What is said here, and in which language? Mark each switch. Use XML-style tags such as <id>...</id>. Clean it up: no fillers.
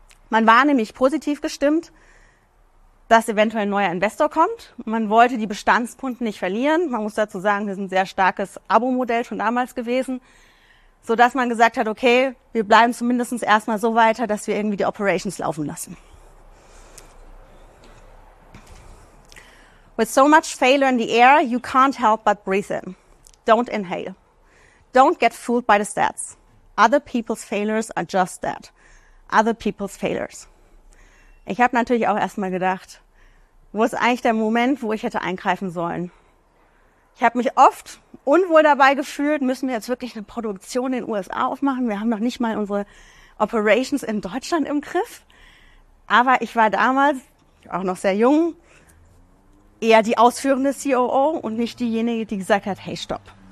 <de>Man war nämlich positiv gestimmt, dass eventuell ein neuer Investor kommt. Man wollte die Bestandskunden nicht verlieren. Man muss dazu sagen, wir sind ein sehr starkes Abo-Modell schon damals gewesen, sodass man gesagt hat, okay, wir bleiben zumindest erstmal so weiter, dass wir irgendwie die Operations laufen lassen.</de> <en>With so much failure in the air, you can't help but breathe in. Don't inhale. Don't get fooled by the stats. Other people's failures are just that. Other people's failures.</en> <de>Ich habe natürlich auch erstmal gedacht, wo ist eigentlich der Moment, wo ich hätte eingreifen sollen? Ich habe mich oft unwohl dabei gefühlt, müssen wir jetzt wirklich eine Produktion in den USA aufmachen? Wir haben noch nicht mal unsere Operations in Deutschland im Griff. Aber ich war damals auch noch sehr jung, eher die ausführende COO und nicht diejenige, die gesagt hat, hey, stopp.</de>